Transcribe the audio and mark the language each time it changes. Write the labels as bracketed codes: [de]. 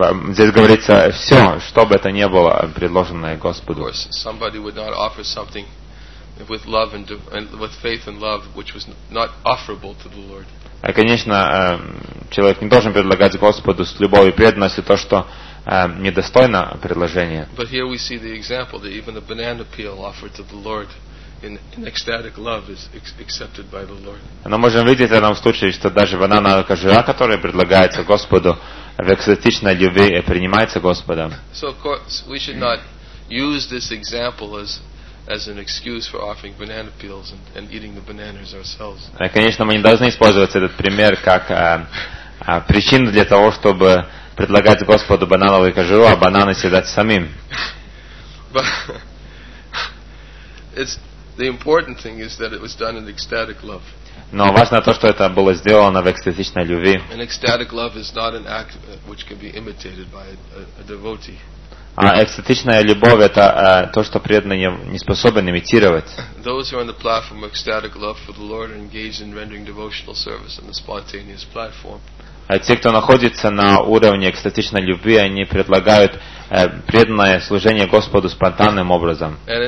[ru] Здесь говорится все, что бы это ни было, предложенное Господу. [en] Somebody would not offer something with love and with faith and love, which was not offerable to the Lord. [ru] А, конечно, человек не должен предлагать Господу с любовью и преданностью то, что недостойно предложения. Но мы можем видеть в этом случае, что даже бананная кожура, которая предлагается Господу в экстатичной любви, принимается Господом. [en] So, of course, we should not use this example as an excuse for offering banana peels and eating the bananas ourselves. [ru] Конечно, мы не должны использовать этот пример как причину для того, чтобы предлагать Господу банановую кожуру, а бананы съедать самим. [en] But it's the important thing is that it was done in ecstatic love. [ru] Но важно то, что это было сделано в экстатичной любви. [en] An ecstatic love is not an act which can be imitated by a devotee. [ru] А экстатичная любовь — это то, что преданный не способен имитировать. А те, кто находится на уровне экстатичной любви, они предлагают преданное служение Господу спонтанным образом.